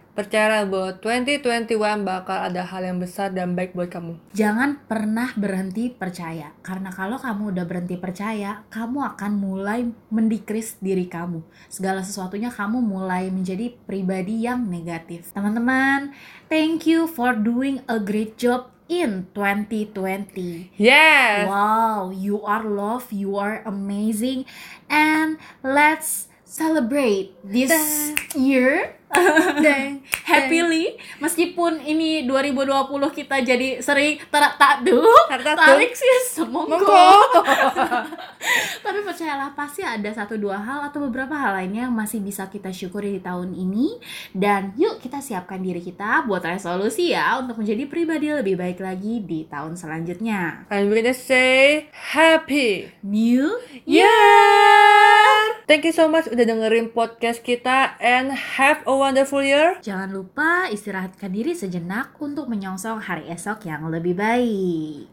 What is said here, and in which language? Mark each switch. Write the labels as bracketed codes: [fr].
[id] Percayalah bahwa 2021 bakal ada hal yang besar dan baik buat kamu. Jangan pernah berhenti percaya. Karena kalau kamu udah berhenti percaya, kamu akan mulai mendekris diri kamu. Segala sesuatunya kamu mulai menjadi pribadi yang negatif. [en] Teman-teman, thank you for doing a great job in 2020. Yes. Wow, you are loved, you are amazing. And let's celebrate this year. [id] Dang. Happily. Meskipun ini 2020 kita jadi sering tarik sih semongko. Tapi percayalah, pasti ada satu dua hal atau beberapa hal lainnya yang masih bisa kita syukuri di tahun ini. Dan yuk kita siapkan diri kita buat resolusi ya, untuk menjadi pribadi lebih baik lagi di tahun selanjutnya. [en] And we're gonna say happy new year. Thank you so much [id] udah dengerin podcast kita, [en] and have a wonderful year. [id] Jangan lupa istirahatkan diri sejenak untuk menyongsong hari esok yang lebih baik.